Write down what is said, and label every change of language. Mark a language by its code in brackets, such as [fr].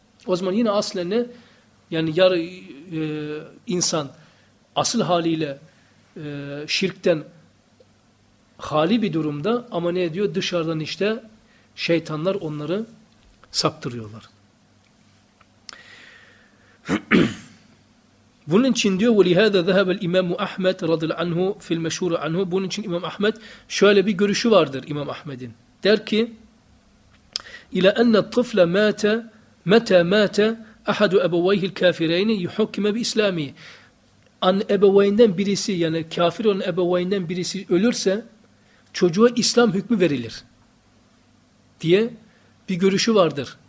[tr] O zaman yine aslen ne? Yani yarı insan asıl haliyle şirkten hali bir durumda, ama ne diyor? Dışarıdan işte şeytanlar onları saptırıyorlar. Bunun için diyor [ar] وَلِهَذَا ذَهَبَ الْاِمَامُ اَحْمَدْ رَضِلْ عَنْهُ فِي الْمَشْهُورَ عَنْهُ. [tr] Bunun için İmam Ahmet şöyle bir görüşü vardır İmam Ahmet'in. Der ki [ar] اِلَا اَنَّ الطِّفْلَ مَاتَ مَتَى مَاتَ اَحَدُ اَبَوَيْهِ الْكَافِرَيْنِ يُحُكِّمَ بِاِسْلَامِ. [tr] An ebeveyninden birisi, yani kafir olan ebeveyninden birisi ölürse çocuğa İslam hükmü verilir diye bir görüşü vardır.